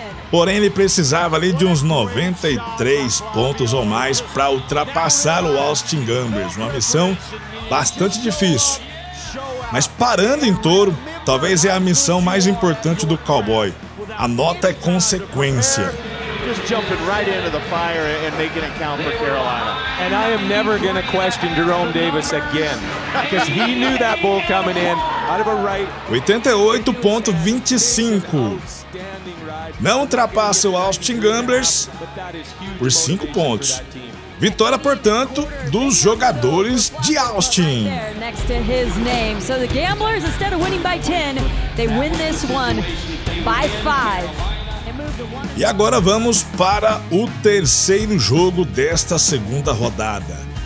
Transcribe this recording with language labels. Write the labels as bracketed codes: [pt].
[pt] Porém, ele precisava ali de uns 93 pontos ou mais para ultrapassar o Austin Gamblers, uma missão bastante difícil. Mas parando em touro, talvez é a missão mais importante do cowboy. A nota é consequência. [en] Just jumping right into the fire and making a count for Carolina. And I am never going to question Jerome Davis again, because he knew that ball coming in out of a right. 88.25. [pt] Não ultrapassa o Austin Gamblers por 5 pontos. Vitória, portanto, dos jogadores de Austin. [en] Next to his name. So the Gamblers, instead of winning by 10, they win this one by 5. [pt] E agora vamos para o terceiro jogo desta segunda rodada.